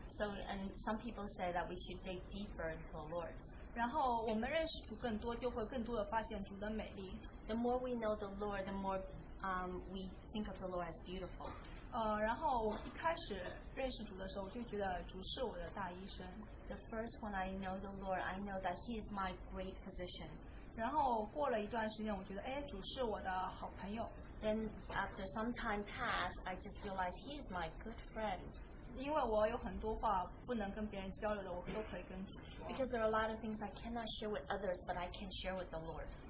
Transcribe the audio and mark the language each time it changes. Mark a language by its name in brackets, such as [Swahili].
[English] So and some people say that we should dig deeper into the Lord. [Chinese] 然后我们认识主更多，就会更多的发现主的美丽。 [English] The more we know the Lord, the more we think of the Lord as beautiful. [Chinese] 然后我一开始认识主的时候，我就觉得主是我的大医生。 [English] The first when I know the Lord, I know that He is my great physician. [Chinese] 然后过了一段时间，我觉得哎，主是我的好朋友。 [English] Then after some time passed, I just realized He is my good friend. [Chinese] 因为我有很多话不能跟别人交流的，我都可以跟主说。 [English] Because there are a lot of things I cannot share with others, but I can share with the Lord.